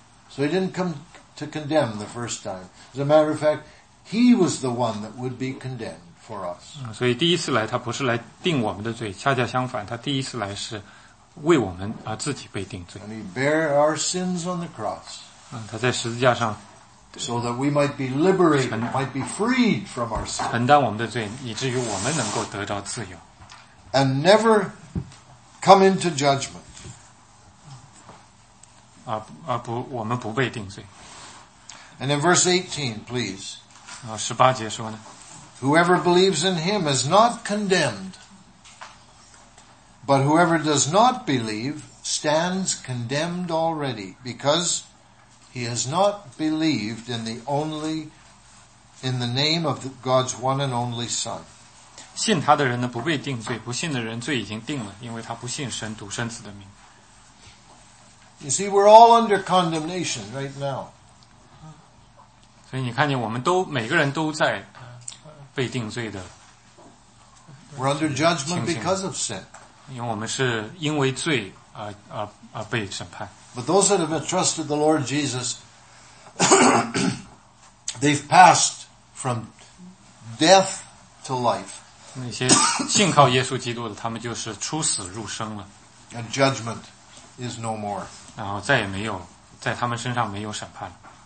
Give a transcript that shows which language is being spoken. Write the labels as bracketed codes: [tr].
[en] So he didn't come to condemn the first time. As a matter of fact, he was the one that would be condemned for us. [zh] 所以第一次来他不是来定我们的罪，恰恰相反，他第一次来是为我们而自己被定罪。 [en] And he bare our sins on the cross. [zh] 他在十字架上。 [en] So that we might be liberated, might be freed from our sins. [zh] 承担我们的罪，以至于我们能够得着自由。 [en] And never come into judgment. [zh] 不，我们不被定罪。 [en] And in verse 18, please. [zh] 十八节说呢。 [en] Whoever believes in him is not condemned. But whoever does not believe stands condemned already. Because he has not believed in the name of God's one and only Son. [zh] 信他的人呢不被定罪，不信的人罪已经定了，因为他不信神独生子的名。 [en] You see, we're all under condemnation right now. [zh] 所以你看见我们都每个人都在被定罪的。 [en] We're under judgment because of sin. [zh] 因为我们是因为罪而被审判。 [en] But those that have trusted the Lord Jesus, they've passed from death to life. [zh] 那些信靠耶稣基督的，他们就是出死入生了。 [en] And judgment is no more. [zh] 然后再也没有在他们身上没有审判了。